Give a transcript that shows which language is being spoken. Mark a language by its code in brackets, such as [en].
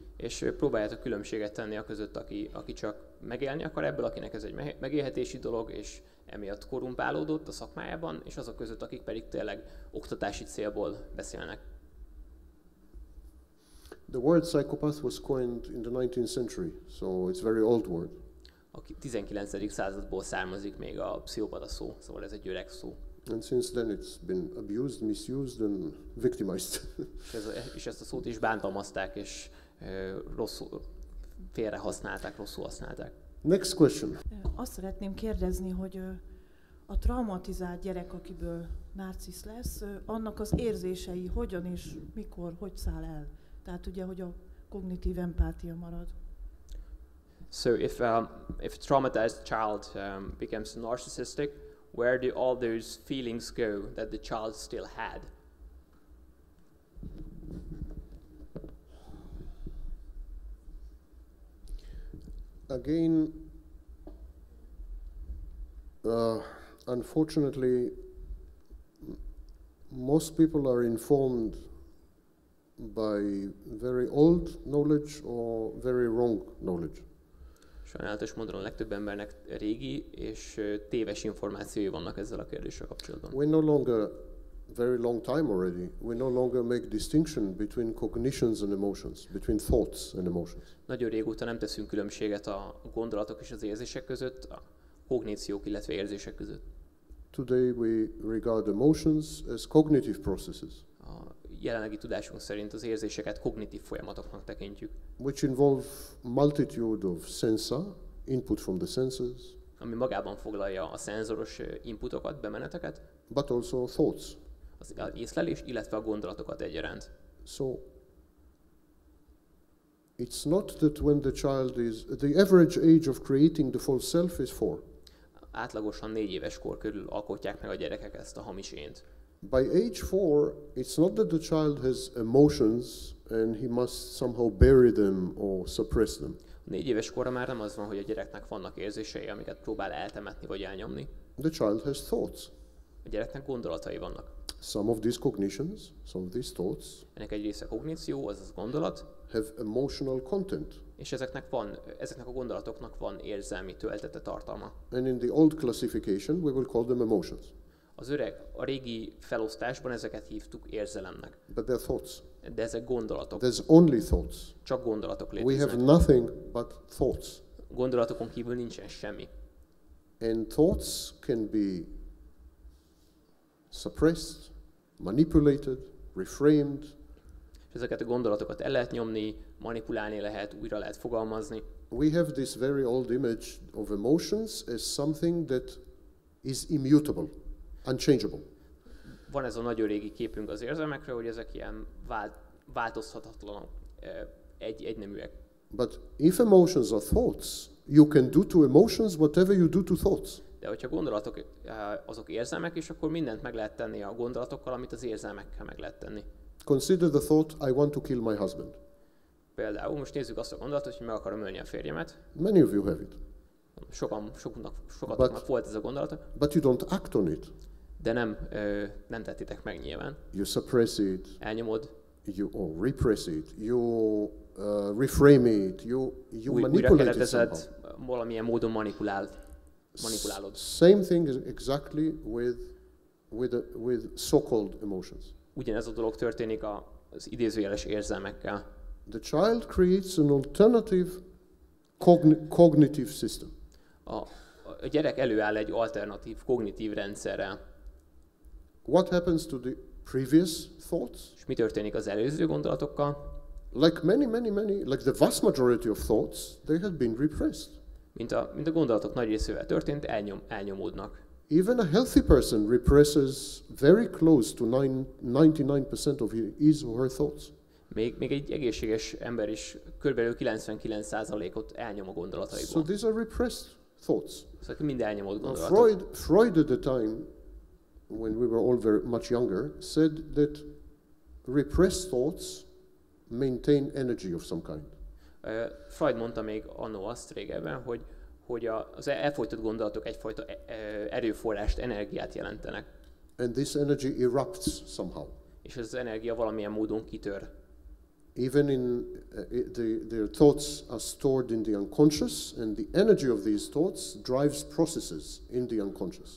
[hu] És próbáljátok különbséget tenni a között, aki csak megélni akar ebből, akinek ez egy megélhetési dolog, és emiatt korrumpálódott a szakmájában, és azok között, akik pedig tényleg oktatási célból beszélnek. [en] The word psychopath was coined in the 19th century, so it's a very old word. [hu] A 19. századból származik még a pszichopata szó, szóval ez egy öreg szó. [en] And since then it's been abused, misused and victimized. [hu] És ezt a szót is bántalmazták, és rosszul használták. [en] Next question. [hu] Azt szeretném kérdezni, hogy a traumatizált gyerek, akiből narcisz lesz, annak az érzései hogyan és mikor, hogy száll el? Tehát ugye, hogy a kognitív empátia marad. [en] So if a traumatized child becomes narcissistic, where do all those feelings go that the child still had? Again, unfortunately, most people are informed by very old knowledge or very wrong knowledge. [hu] Sajnálatos módon a legtöbb embernek régi és téves információi vannak ezzel a kérdéssel kapcsolatban. [en] We no longer, very long time already, we no longer make distinction between cognitions and emotions, between thoughts and emotions. [hu] Nagyon régóta nem teszünk különbséget a gondolatok és az érzések között, a kogníciók, illetve érzések között. [en] Today we regard emotions as cognitive processes. [hu] A jelenlegi tudásunk szerint az érzéseket kognitív folyamatoknak tekintjük. [en] Which involve multitude of sensa, input from the senses. [hu] Ami magában foglalja a szenzoros inputokat, bemeneteket. [en] But also thoughts. [hu] Az észlelés, illetve a gondolatokat egyaránt. [en] So, it's not that when the child is, the average age of creating the false self is 4. [hu] Átlagosan 4 éves kor körül alkotják meg a gyerekek ezt a hamis ént. [en] By age 4, it's not that the child has emotions and he must somehow bury them or suppress them. [hu] 4 éves korra már nem az van, hogy a gyereknek vannak érzései, amiket próbál eltemetni vagy elnyomni. [en] The child has thoughts. [hu] A gyereknek gondolatai vannak. [en] Some of these cognitions, some of these thoughts. [hu] Ennek egy része kogníció, azaz gondolat. [en] Have emotional content. [hu] És ezeknek a gondolatoknak van érzelmi töltete, tartalma. [en] And in the old classification, we will call them emotions. [hu] Az öreg, a régi felosztásban ezeket hívtuk érzelemnek. [en] But they're thoughts. [hu] De ezek gondolatok. [en] There's only thoughts. [hu] Csak gondolatok léteznek. [en] We have nothing but thoughts. [hu] Gondolatokon kívül nincsen semmi. [en] And thoughts can be suppressed, manipulated, reframed. [hu] Ezeket a gondolatokat el lehet nyomni, manipulálni lehet, újra lehet fogalmazni. [en] We have this very old image of emotions as something that is immutable, unchangeable. [hu] Van ez a nagyon régi képünk az érzelmekről, hogy ezek ilyen változhatatlanok, egyneműek. [en] But if emotions are thoughts, you can do to emotions whatever you do to thoughts. [hu] De hogyha gondolatok azok érzelmek, és akkor mindent meg lehet tenni a gondolatokkal, amit az érzelmekkel meg lehet tenni. [en] Consider the thought, I want to kill my husband. [hu] Például most nézzük azt a gondolatot, hogy meg akarom ölni a férjemet. [en] Many of you have it. [hu] Sokatoknak volt ez a gondolata. [en] But you don't act on it. [hu] De nem tettitek meg nyilván. [en] You suppress it. [hu] Elnyomod. [en] You repress it. You reframe it. You manipulate it somehow. [hu] Valamilyen módon manipulálod. [en] Same thing is exactly with so-called emotions. [hu] Ugyanez a dolog történik az idézőjeles érzelmekkel. [en] The child creates an alternative cognitive system. [hu] A gyerek előáll egy alternatív kognitív rendszerrel. [en] What happens to the previous thoughts? [hu] És mi történik az előző gondolatokkal? [en] Like many, like the vast majority of thoughts, they had been repressed. [hu] Mint a gondolatok nagy részével történt, elnyomódnak. [en] Even a healthy person represses very close to 99% of his or her thoughts. [hu] Még egy egészséges ember is körülbelül 99%-ot elnyom a gondolataiból. [en] So these are repressed thoughts. [hu] Szóval mind elnyomott gondolatok. [en] Freud at the time, when we were all very much younger, said that repressed thoughts maintain energy of some kind. [hu] Freud mondta még anno azt régebben, hogy az elfolytott gondolatok egyfajta erőforrást, energiát jelentenek. [en] And this energy erupts somehow. [hu] És ez az energia valamilyen módon kitör. [en] Even in their thoughts are stored in the unconscious, and the energy of these thoughts drives processes in the unconscious.